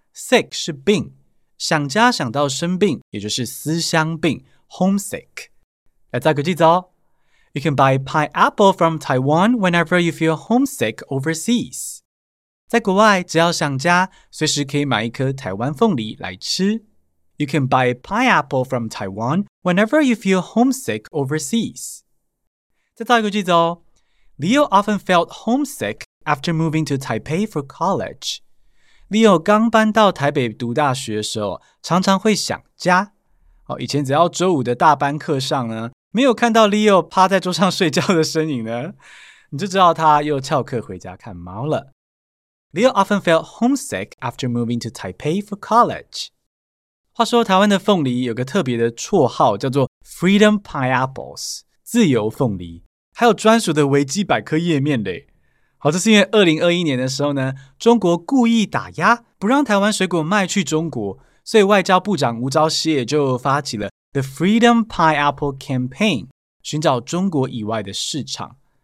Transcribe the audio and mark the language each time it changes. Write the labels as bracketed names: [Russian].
[Chinese] Sick 是病，想家想到生病，也就是思乡病 ，homesick。来造个句子哦 [English] ，You can buy pineapple from Taiwan whenever you feel homesick overseas。 [Chinese] 在国外，只要想家，随时可以买一颗台湾凤梨来吃。 [English] You can buy pineapple from Taiwan whenever you feel homesick overseas。 [Chinese] 再造个句子哦 [English] ，Leo often felt homesick after moving to Taipei for college。 [Chinese] Leo 刚搬到台北读大学的时候，常常会想家。以前只要周五的大班课上呢，没有看到 Leo 趴在桌上睡觉的身影呢，你就知道他又翘课回家看猫了。 [English] Leo often felt homesick after moving to Taipei for college. [Chinese] 话说台湾的凤梨有个特别的绰号，叫做 Freedom Pineapples, 自由凤梨，还有专属的维基百科页面咧。好，这是因为2021年的时候呢，中国故意打压，不让台湾水果卖去中国，所以外交部长吴钊燮就发起了 The Freedom Pineapple Campaign, 寻找中国以外的市场。